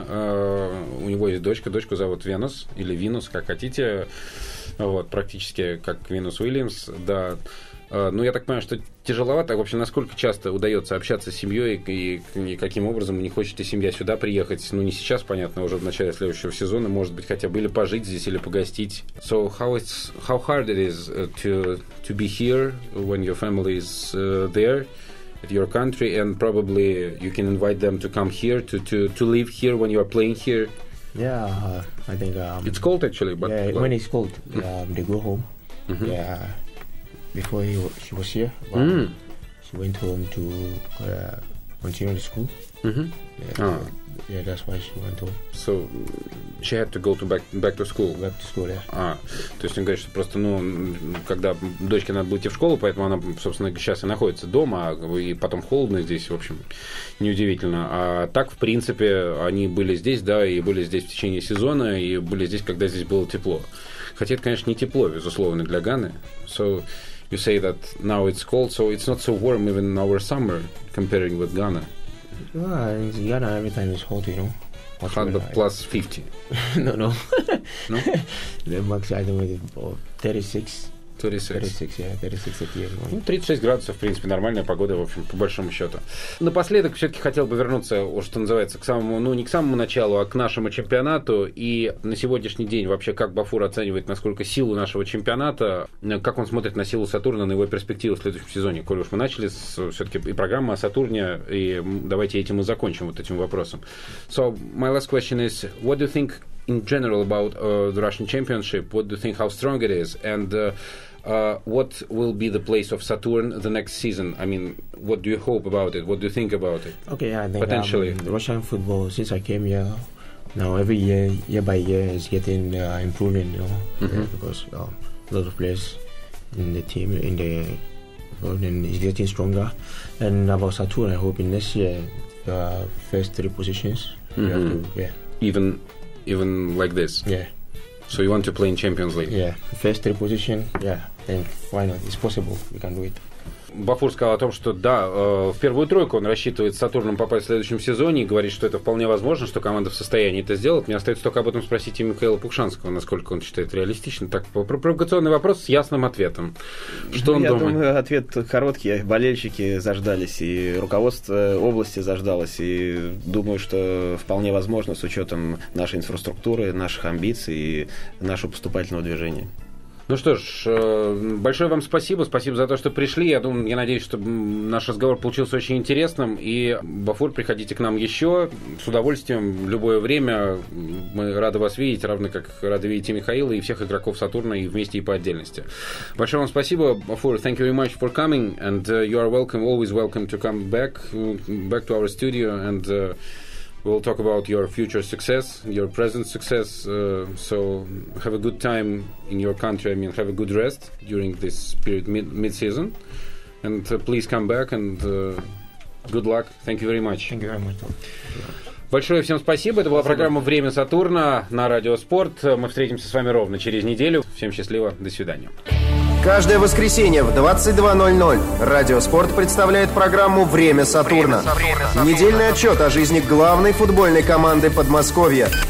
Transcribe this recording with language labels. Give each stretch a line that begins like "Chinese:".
Russian: У него есть дочка. Дочку зовут Венус или Винус, как хотите. Вот, практически как Венус Уильямс. Да. Ну, я так понимаю, что тяжеловато. Вообще, насколько часто удается общаться с семьей и каким образом не хочет ли семья сюда приехать? Ну, не сейчас, понятно, уже в начале следующего сезона, может быть, хотя бы или пожить здесь, или погостить.
English: So, how hard it is to be here when your family is there, at your country, and probably you can invite them to come here, to live here when you are playing here? Yeah, I think... It's cold, actually, but... Yeah, well, when it's cold, they go home. Mm-hmm. Yeah. Before she was here, she went home to continue the school. Mm-hmm. Yeah, that's why she went home. So she had to go to back to school. Back to school, yeah.
Russian: То есть он говорит, что просто, ну, когда дочке надо было идти в школу, поэтому она, собственно, сейчас и находится дома, и потом холодно здесь, в общем, неудивительно. А так, в принципе, они были здесь, да, и были здесь в течение сезона, и были здесь, когда здесь было тепло. Хотя это, конечно, не тепло, безусловно, для Ганы.
English: So you say that now it's cold, so it's not so warm even in our summer, comparing with Ghana. Well, in Ghana every time it's hot, you know. 100 plus 50. No, no. No? The max, I don't know, 36.
Russian: 36 градусов, в принципе, нормальная погода, в общем, по большому счету. Напоследок, все-таки хотел бы вернуться, что называется, к самому, ну, не к самому началу, а к нашему чемпионату. И на сегодняшний день вообще, как Бафур оценивает, насколько силу нашего чемпионата, как он смотрит на силу Сатурна, на его перспективу в следующем сезоне? Коль уж мы начали с, все-таки и программа о Сатурне, и давайте этим и закончим, вот этим вопросом.
English: So, my last question is, what do you think in general about the Russian championship, what do you think, how strong it is, and what will be the place of Saturn the next season? I mean, what do you hope about it? What do you think about it? Okay, I think potentially. Russian football, since I came here, now every year, year by year, is getting improving, you know, because a lot of players in the team, in the world, is getting stronger. And about Saturn, I hope in next year, the first three positions, we have to, yeah. Even like this? Yeah. So you want to play in Champions League? Yeah. First three position, yeah. Then why not? It's possible. We can do it.
Russian: Бафур сказал о том, что да, в первую тройку он рассчитывает с Сатурном попасть в следующем сезоне и говорит, что это вполне возможно, что команда в состоянии это сделать. Мне остается только об этом спросить и Михаила Пукшанского, насколько он считает реалистично. Так, провокационный вопрос с ясным ответом. Что он думает? Я думаю, ответ короткий. Болельщики заждались, и руководство области заждалось. И думаю, что вполне возможно с учетом нашей инфраструктуры, наших амбиций и нашего поступательного движения. Ну что ж, большое вам спасибо. Спасибо за то, что пришли. Я думаю, я надеюсь, что наш разговор получился очень интересным. И, Бафур, приходите к нам еще с удовольствием в любое время. Мы рады вас видеть, равно как рады видеть и Михаила, и всех игроков Сатурна, и вместе, и по отдельности. Большое вам спасибо, Бафур.
English: Thank you very much for coming. And you are welcome, always welcome to come back to our studio. And we'll talk about your future success, your present success. So have a good time in your country. I mean, have a good rest during this period mid-season. And please come back and good luck. Thank you very much. Thank you very much.
Russian: Большое всем спасибо. Это была программа «Время Сатурна» на Радио Спорт. Мы встретимся с вами ровно через неделю. Всем счастливо. До свидания. Каждое воскресенье в 22.00 Радио Спорт представляет программу «Время Сатурна». Недельный отчет о жизни главной футбольной команды Подмосковья.